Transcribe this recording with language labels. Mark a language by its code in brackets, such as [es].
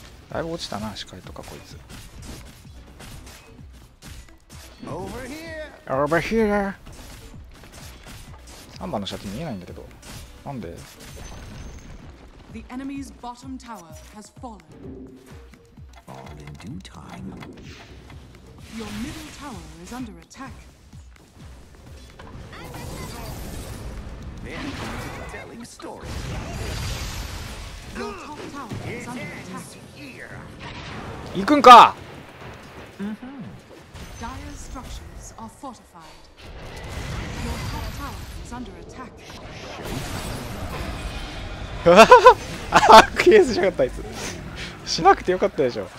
[ja] だいぶ落ちたな、視界とかこいつ。 [en] Over here! [ja] 3番のシャツ見えないんだけど、なんで？ [en] The enemy's bottom tower has fallen. All in due time. Your middle tower is under attack. Then he's telling stories. Your top tower is under attack. [ja] 行くんか。 [en] Dire structures are fortified. Your top tower is under attack. [ja] あっ、クリエイスしなかった、あいつしなくてよかったでし